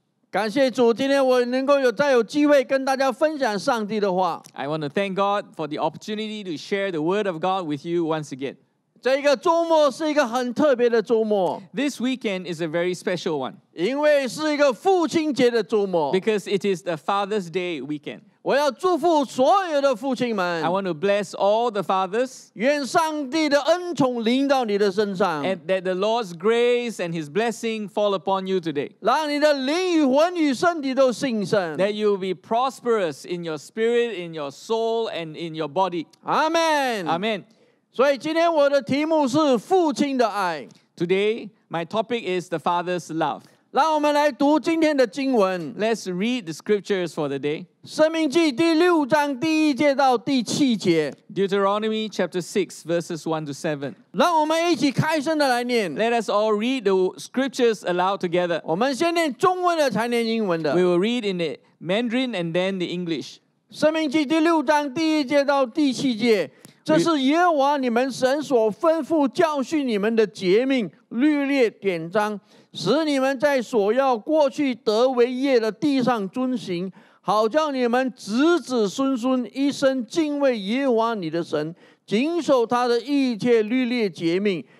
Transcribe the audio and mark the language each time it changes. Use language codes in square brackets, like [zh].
[zh] 感谢主，今天我能够有再有机会跟大家分享上帝的话。 [en] I want to thank God for the opportunity to share the word of God with you once again. [zh] 这一个周末是一个很特别的周末。 [en] This weekend is a very special one. [zh] 因为是一个父亲节的周末。 [en] Because it is the Father's Day weekend. [zh] 我要祝福所有的父亲们。 [en] I want to bless all the fathers. [zh] 愿上帝的恩宠临到你的身上。 [en] And that the Lord's grace and His blessing fall upon you today. [zh] 让你的灵与魂与身体都兴盛。 [en] That you will be prosperous in your spirit, in your soul, and in your body. Amen. Amen. [zh] 所以今天我的题目是父亲的爱。 [en] Today, my topic is the Father's love. [zh] 让我们来读今天的经文。 [en] Let's read the scriptures for the day. [zh] 生命记第六章第一节到第七节。 [en] Deuteronomy chapter 6 verses 1 to 7. [zh] 让我们一起开声的来念。 [en] Let us all read the scriptures aloud together. [zh] 我们先念中文的，才念英文的。 [en] We will read in the Mandarin and then the English. [zh] 生命记第六章第一节到第七节。这是耶和华你们神所吩咐教训你们的诫命、律例、典章，使你们在所要过去得为业的地上遵行，好叫你们子子孙孙一生敬畏耶和华你的神，谨守他的一切律例诫命。